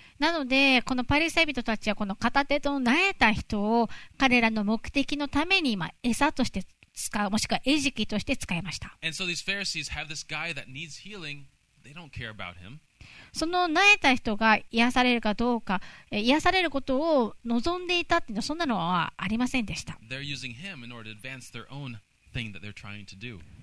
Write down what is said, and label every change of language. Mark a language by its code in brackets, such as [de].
[ja] なのでこのパリサイ人たちはこの片手と萎えた人を彼らの目的のために今餌として使うもしくは餌食として使いました。 [en] And so these Pharisees have this guy that needs healing. They don't care about him. [ja] その萎えた人が癒されるかどうか癒されることを望んでいたっていうのはそんなのはありませんでした。 [en] They're using him in order to advance their own thing that they're trying to do.